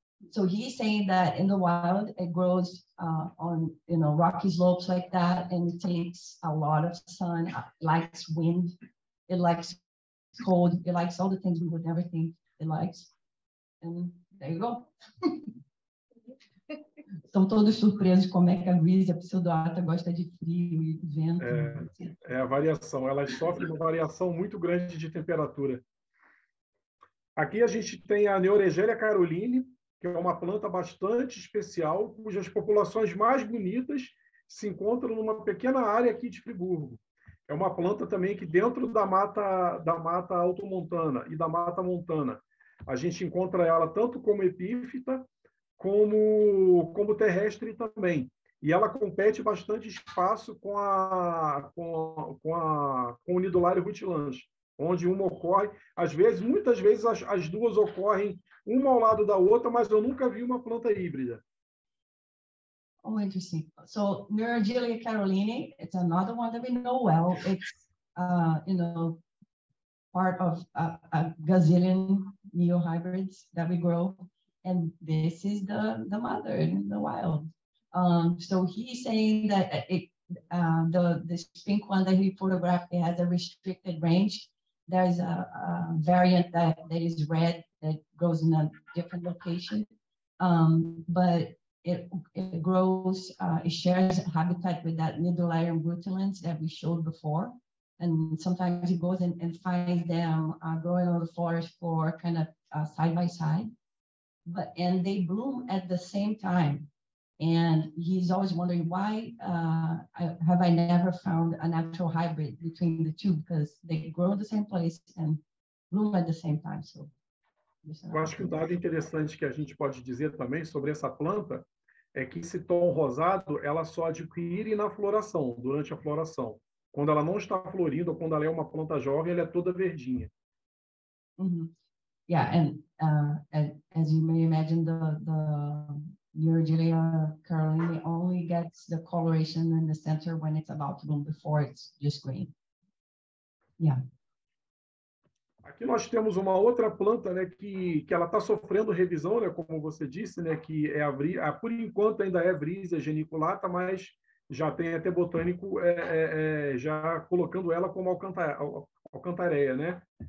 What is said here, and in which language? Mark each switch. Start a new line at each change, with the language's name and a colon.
English: So he's saying that in the wild, it grows on, you know, rocky slopes like that, and it takes a lot of sun, likes wind, it likes cold, it likes all the things we would never think it likes. And there you go.
Portuguese: Estão todos surpresos como é que a Vrisia pseudoatra gosta de frio e vento. É a variação. Ela sofre uma variação muito grande de temperatura. Aqui a gente tem a Neuregelia caroline, que é uma planta bastante especial, cujas populações mais bonitas se encontram numa pequena área aqui de Friburgo. É uma planta também que dentro da mata altomontana e da mata montana, a gente encontra ela tanto como epífita, como terrestre também. E ela compete bastante espaço com o Nidularium rutilans, onde uma ocorre, muitas vezes as duas ocorrem uma ao lado da outra, mas eu nunca vi uma planta híbrida.
English: Oh, interesting. So, Neuregelia caroline, it's another one that we know well. It's, you know, part of a gazillion neo-hybrids that we grow. And this is the mother in the wild. So he's saying that it this pink one that he photographed, it has a restricted range. There's a variant that is red that grows in a different location, but it grows, it shares habitat with that Nidolarium rutilans that we showed before. And sometimes it goes and finds them growing on the forest floor kind of side by side. But, and they bloom at the same time. And he's always wondering why have I never found a natural hybrid between the two, because they grow in the same place and bloom at the same time. So,
Portuguese: eu acho que um dado interessante que a gente pode dizer também sobre essa planta é que esse tom rosado, ela só adquire na floração, durante a floração. Quando ela não está florindo, ou quando ela é uma planta jovem, ela é toda verdinha. Uh-huh.
English: Yeah, and as you may imagine, the Eurydilia carolina only gets the coloration in the center when it's about to bloom, before it's just green. Yeah.
Portuguese: Aqui nós temos uma outra planta, né, que ela está sofrendo revisão, né, como você disse, né, que é por enquanto ainda é Vrisa geniculata, mas já tem até botânico já colocando ela como alcantareia, né?